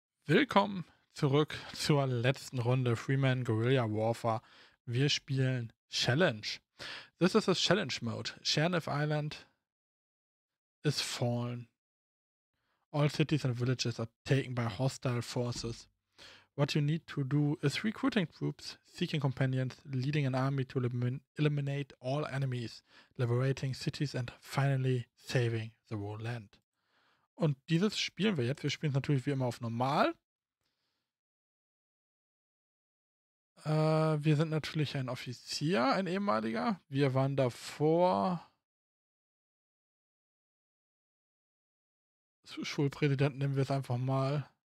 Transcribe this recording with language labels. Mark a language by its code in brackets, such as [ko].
[de] Willkommen zurück zur letzten Runde Freeman Guerilla Warfare. Wir spielen Challenge. [en] This is a Challenge Mode. Sheriff Island is fallen. All cities and villages are taken by hostile forces. What you need to do is recruiting troops, seeking companions, leading an army to eliminate all enemies, liberating cities and finally saving the whole land. [de] Und dieses spielen wir jetzt. Wir spielen es natürlich wie immer auf normal. Wir sind natürlich ein Offizier, ein ehemaliger. Wir waren davor Schulpräsident, nehmen wir es einfach mal.